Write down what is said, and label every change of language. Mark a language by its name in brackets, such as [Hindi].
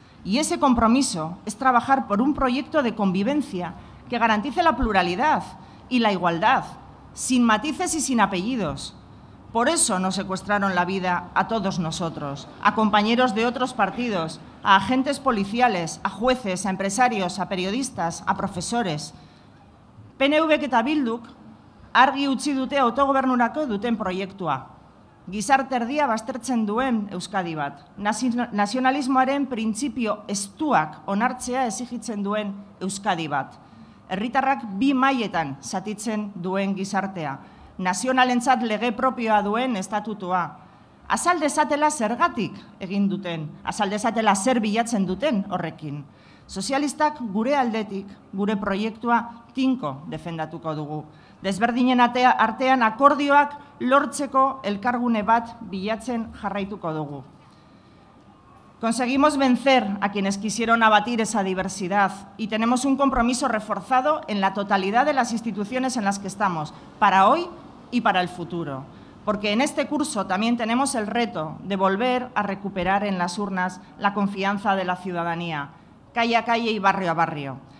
[Spanish] Y ese compromiso es trabajar por un proyecto de convivencia que garantice la pluralidad y la igualdad, sin matices y sin apellidos. Por eso nos secuestraron la vida a todos nosotros, a compañeros de otros partidos, a agentes policiales, a jueces, a empresarios, a periodistas, a profesores. [Basque] PNVk eta Bilduk argi utzi dute autogobernurako duten proiektua. Gizarte erdia baztertzen duen Euskadi bat, nazionalismoaren printzipio estuak onartzea exigitzen duen Euskadi bat, herritarrak bi mailetan zatitzen duen gizartea, nazionalentzat lege propioa duen estatutua. Azal dezatela zergatik egin duten, azal dezatela zer bilatzen duten horrekin. Sozialistak gure aldetik, gure proiektua tinko defendatuko dugu. Desberdinen artean akordioak lortzeko elkargune bat bilatzen jarraituko dugu. [Spanish] Conseguimos vencer a quienes quisieron abatir esa diversidad y tenemos un compromiso reforzado en la totalidad de las instituciones en las que estamos, para hoy y para el futuro. Porque en este curso también tenemos el reto de volver a recuperar en las urnas la confianza de la ciudadanía, calle a calle y barrio a barrio.